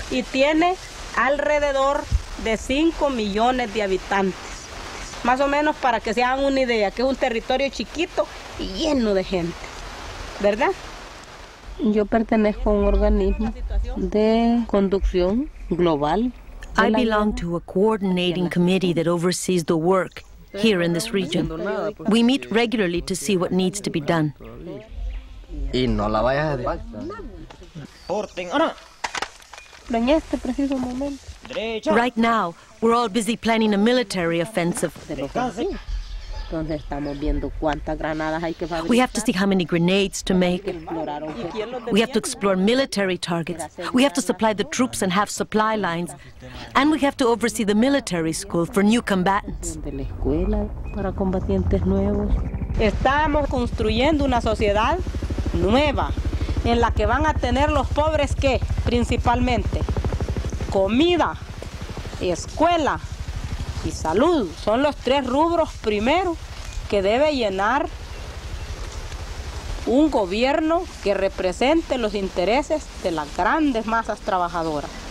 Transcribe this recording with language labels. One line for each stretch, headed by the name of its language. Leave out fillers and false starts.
Spanish: Y tiene alrededor de 5 millones de habitantes, más o menos, para que se hagan una idea, que es un territorio chiquito y lleno de gente, ¿verdad? Yo pertenezco a un organismo de conducción global.
English: I belong to a coordinating committee that oversees the work here in this region. We meet regularly to see what needs to be done.
Spanish: Y no la vayas a despachar. En este preciso momento.
English: Right now, we're all busy planning a military offensive.
Spanish: Entonces estamos viendo cuántas granadas hay que fabricar.
English: We have to see how many grenades to make. We have to explore military targets. We have to supply the troops and have supply lines. And we have to oversee the military school for new combatants.
Spanish: De la escuela para combatientes nuevos. Estamos construyendo una sociedad nueva en la que van a tener los pobres qué, principalmente comida, escuela y salud. Son los tres rubros primero que debe llenar un gobierno que represente los intereses de las grandes masas trabajadoras.